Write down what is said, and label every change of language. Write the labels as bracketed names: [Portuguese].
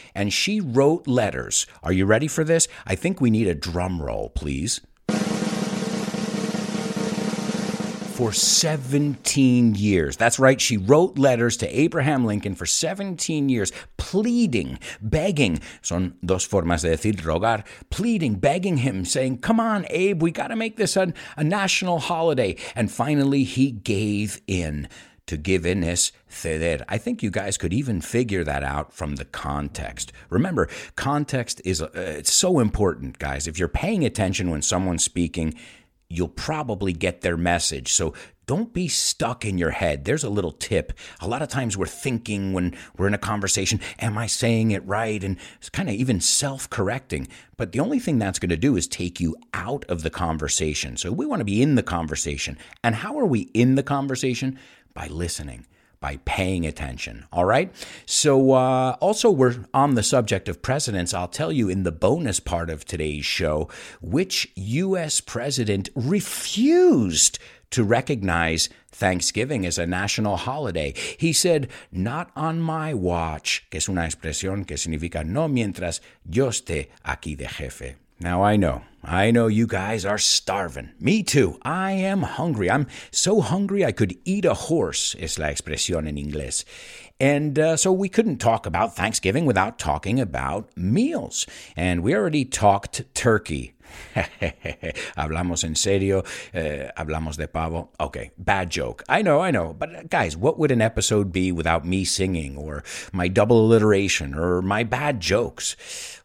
[English] And she wrote letters. Are you ready for this? I think we need a drum roll, please. For 17 years. That's right. She wrote letters to Abraham Lincoln for 17 years, pleading, begging. [Spanish] Son dos formas de decir rogar. [English] Pleading, begging him, saying, come on, Abe, we got to make this a national holiday. And finally, he gave in. To give in is ceder. I think you guys could even figure that out from the context. Remember, context is it's so important, guys. If you're paying attention when someone's speaking, you'll probably get their message. So don't be stuck in your head. There's a little tip. A lot of times we're thinking when we're in a conversation, am I saying it right? And it's kind of even self-correcting. But the only thing that's going to do is take you out of the conversation. So we want to be in the conversation. And how are we in the conversation? By listening, by paying attention. All right. So also we're on the subject of presidents. I'll tell you in the bonus part of today's show, which U.S. president refused to recognize Thanksgiving as a national holiday. He said, not on my watch, [Spanish] que es una expresión que significa no mientras yo esté aquí de jefe. [English] Now, I know you guys are starving. Me too. I am hungry. I'm so hungry I could eat a horse, [Spanish] es la expresión en inglés. [English] And so we couldn't talk about Thanksgiving without talking about meals. And we already talked turkey. [Spanish] Hablamos en serio. Hablamos de pavo. [English] Okay, bad joke. I know. But guys, what would an episode be without me singing or my double alliteration or my bad jokes?